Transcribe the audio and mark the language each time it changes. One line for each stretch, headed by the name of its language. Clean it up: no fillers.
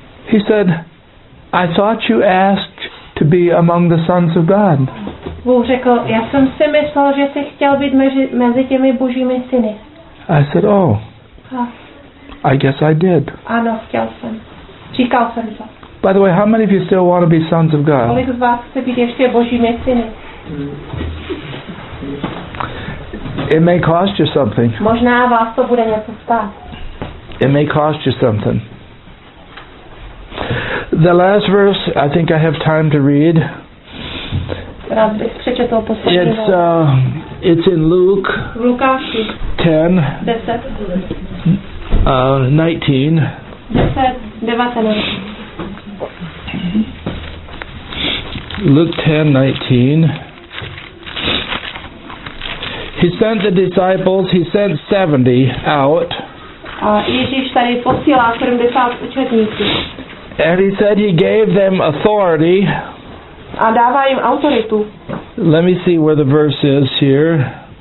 English: He said, I thought you asked to be among the sons of God.
Czech: Bůh řekl, já jsem si myslel, že jsi chtěl být mezi těmi božími syny.
English: I said, oh. Ha. I guess I did.
Czech: Ano, chtěl jsem. Říkal jsem to.
English: By the way, how many of you still want to be sons of God?
Czech: Kolik z vás chce být ještě božími syny?
English: It may cost you something.
Czech: Možná vás to bude něco stát.
English: It may cost you something. The last verse, I think I have time to read.
Czech: Rád bych přečetl poslední verš.
English: It's in Luke 10, 19. 10:19. Luke 10:19. He sent the disciples, he sent 70 out.
Czech: Ježíš tady posílá 70 učedníků.
English: And he said he gave them authority.
Czech: A dává jim autoritu.
English: Let me see where the verse is here.